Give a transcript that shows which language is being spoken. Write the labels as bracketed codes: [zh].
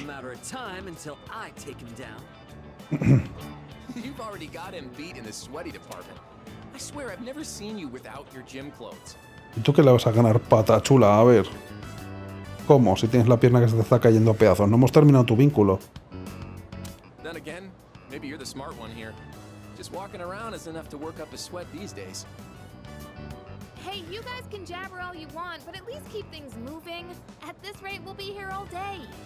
[en] You've already got him beat in the sweaty department. I swear I've never seen you without your gym clothes. [es] ¿Y tú qué le vas a ganar, pata chula? A ver. ¿Cómo? Si tienes la pierna que se te está cayendo a pedazos. No hemos terminado tu vínculo. [en] Then again, maybe you're the smart one here. Just walking around is enough to work up a sweat these days. Hey, you guys can jabber all you want, but at least keep things moving. At this rate, we'll be here all day.